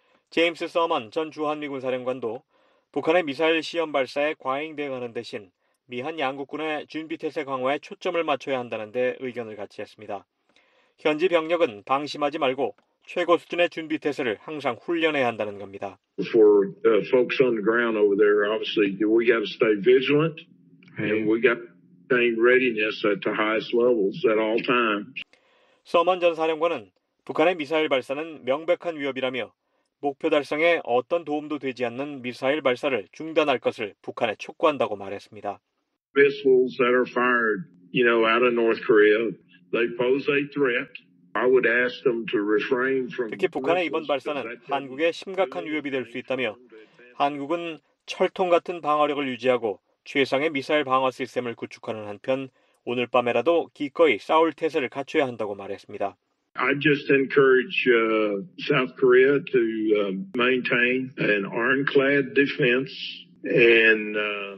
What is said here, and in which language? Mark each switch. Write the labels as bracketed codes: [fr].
[ko] 제임스 서먼 전 주한미군 사령관도 북한의 미사일 시험 발사에 과잉 대응하는 대신 미한 양국군의 준비 태세 강화에 초점을 맞춰야 한다는 데 의견을 같이 했습니다. 현지 병력은 방심하지 말고 최고 수준의 준비 태세를 항상 훈련해야 한다는 겁니다. [en] For folks on the ground over there, obviously we got to stay vigilant and we got to maintain readiness at the highest levels at all times. [ko] 서먼 전 사령관은 북한의 미사일 발사는 명백한 위협이라며 목표 달성에 어떤 도움도 되지 않는 미사일 발사를 중단할 것을 북한에 촉구한다고 말했습니다. [en] Missiles that are fired, you know, out of North Korea, they pose a threat. I would ask them to refrain from. [ko] 특히 북한의 이번 발사는 한국에 심각한 위협이 될 수 있다며 한국은 철통 같은 방어력을 유지하고 최상의 미사일 방어 시스템을 구축하는 한편 오늘 밤에라도 기꺼이 싸울 태세를 갖춰야 한다고 말했습니다. [en] I just encourage South Korea to maintain an ironclad defense.